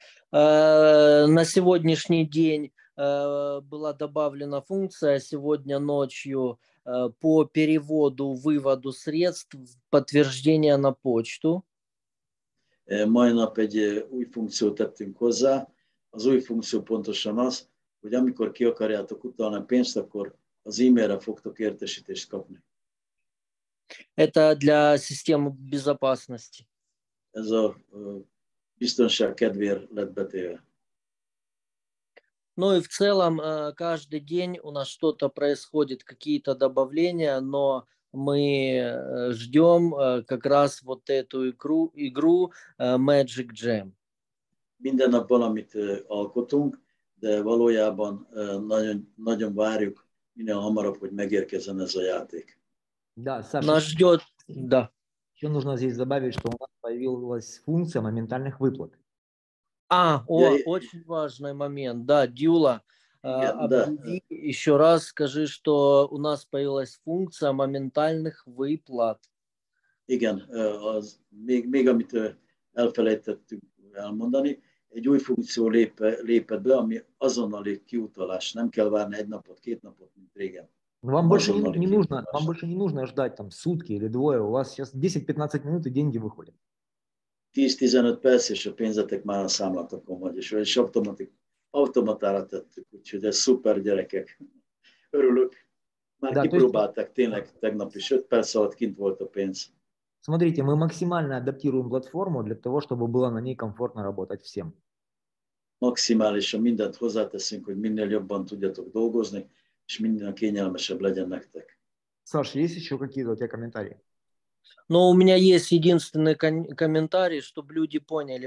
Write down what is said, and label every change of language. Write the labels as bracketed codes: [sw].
[ru] На сегодняшний день была добавлена функция, сегодня ночью по переводу, выводу средств, подтверждение на почту. [hu] Майнап egy új funkciót tettünk hozzá. Az új funkció pontosan az, hogy amikor ki akarjátok utalni pénzt, akkor az e-mailre fogtok értesítést kapni. [ru] Это для системы безопасности. [hu] Ez a biztonság kedvéért lett betéve. [ru] Ну и в целом каждый день у нас что-то происходит, какие-то добавления, но мы ждем как раз вот эту игру Magic Jam. [hu] Minden nap valamit alkotunk, de valójában nagyon várjuk minél hamarabb, hogy megérkezzen ez a játék. [ru] Да, Саша. Нас ждет, да. Еще нужно здесь добавить, что у нас появилась функция моментальных выплат. Очень важный момент. Да, Дюла, еще раз скажи, что у нас появилась функция моментальных выплат. [hu] Igen, az, még amit elfelejtettük elmondani, egy új funkció lépett be, ami azonnali kiutalás, nem kell várni egy napot, két napot, mint régen. [ru] Вам больше не нужно ждать там сутки или двое, у вас сейчас 10-15 минут и деньги выходят. [hu] 10-15 perc, és a pénzetek már a számlatokon vagy, és automatára tettük, úgyhogy ez szuper, gyerekek. Örülök. Már kipróbálták tényleg tegnap is, 5 perc alatt kint volt a pénz. [ru] Смотрите, мы максимально адаптируем платформу для того, чтобы было на ней комфортно работать всем. Максимально [hu] mindent hozzáteszünk, hogy minél jobban tudjatok dolgozni, és minél kényelmesebb legyen nektek. [ru] Саша, есть еще какие-то у тебя комментарии? Но у меня есть единственный комментарий, чтобы люди поняли.